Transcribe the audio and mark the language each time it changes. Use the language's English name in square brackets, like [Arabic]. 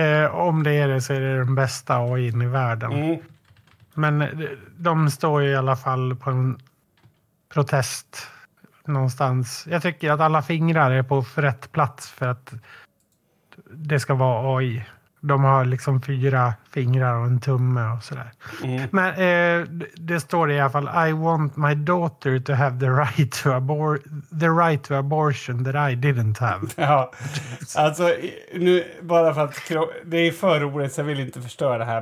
[Swedish] Om det är det så är det den bästa AI i världen. Mm. Men de står ju i alla fall på en protest någonstans. Jag tycker att alla fingrar är på rätt plats för att det ska vara AI. De har liksom fyra fingrar och en tumme och sådär. Mm. Men det står i alla fall, [English] I want my daughter to have the right to abortion that I didn't have. [Swedish] Ja, alltså nu bara för att det är för roligt så jag vill inte förstöra det här.